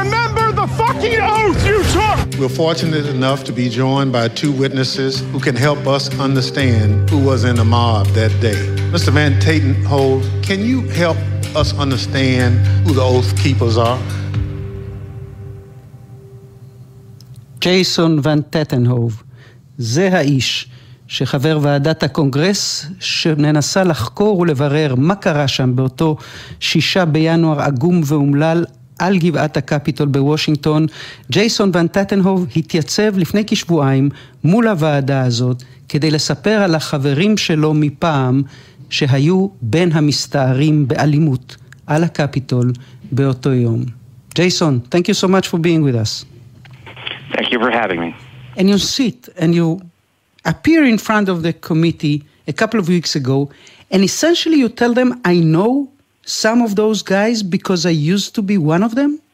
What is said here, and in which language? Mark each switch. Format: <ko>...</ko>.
<en>Remember the fucking oath you took! We're fortunate enough to be joined by two witnesses who can help us understand who was in the mob that day. Mr. Van Tatenhove, can you help us understand who the oath keepers are?</en> <he>ג'ייסון ון טטנהוב, זה האיש שחבר ועדת הקונגרס שננסה לחקור ולברר מה קרה שם באותו שישה בינואר אגום ואומלל על גבעת הקפיטול בוושינגטון. ג'ייסון ון טטנהוב התייצב לפני כשבועיים מול הוועדה הזאת כדי לספר על החברים שלו מפעם שהיו בין המסתערים באלימות על הקפיטול באותו יום.</he> <en>ג'ייסון, thank you so much for being with us. Thank you for having me. And you sit and you appear in front of the committee a couple of weeks ago, and essentially you tell them, I know some of those guys because I used to be one of them?</en>